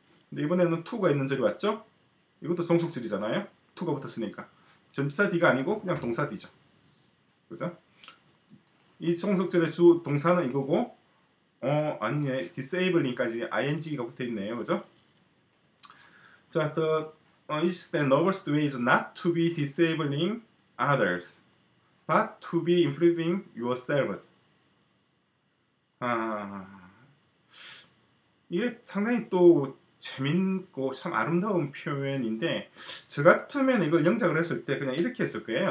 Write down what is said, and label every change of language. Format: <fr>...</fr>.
<ko>근데 이번에는 to가 있는 절이 왔죠. 이것도 종속절이잖아요. to가 붙었으니까 전치사 뒤가 아니고 그냥 동사 뒤죠. 그죠? 이 종속절의 주 동사는 이거고, 아니네, disabling까지 ing가 붙어있네요. 그죠?</ko> <en>자, the is the noblest way is not to be disabling others, but to be improving yourselves.</en> <ko>아, 이게 상당히 또 재밌고 참 아름다운 표현인데, 저 같으면 이걸 영작을 했을 때 그냥 이렇게 했을 거예요.</ko>